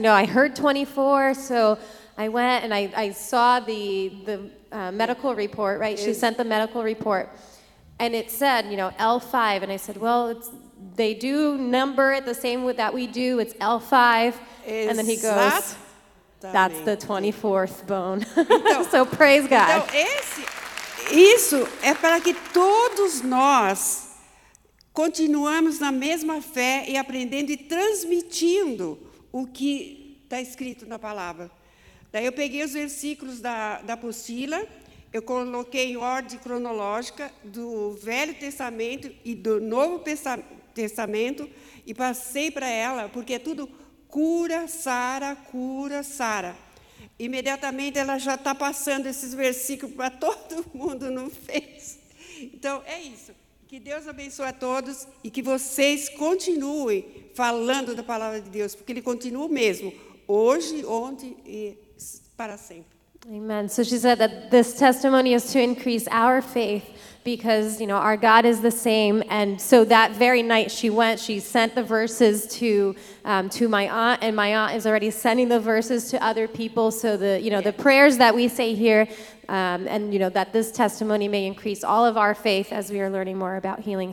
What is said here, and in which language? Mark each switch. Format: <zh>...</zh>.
<en>You know, I heard 24, so I went and I saw the medical report, right? She sent the medical report, and it said, you know, L5. And I said, well, they do number it the same way that we do. It's L5. Exactly. And then he goes, that's the 24th bone.</en> <pt>Então,</pt> <en>so praise God.</en> <pt>Isso é para que todos nós continuamos na mesma fé e aprendendo e transmitindo o que está escrito na palavra. Daí eu peguei os versículos da apostila, eu coloquei em ordem cronológica do Velho Testamento e do Novo Testamento e passei para ela, porque é tudo cura, Sara, cura, Sara. Imediatamente ela já está passando esses versículos para todo mundo no Face. Então, é isso. Que Deus abençoe a todos e que vocês continuem falando da palavra de Deus, porque ele continua o mesmo, hoje, ontem e para sempre.</pt> <en>Amen. So she said that this testimony is to increase our faith because, you know, our God is the same. And so that very night she went, she sent the verses to my aunt, and my aunt is already sending the verses to other people. So the prayers that we say here, and you know, that this testimony may increase all of our faith as we are learning more about healing.</en>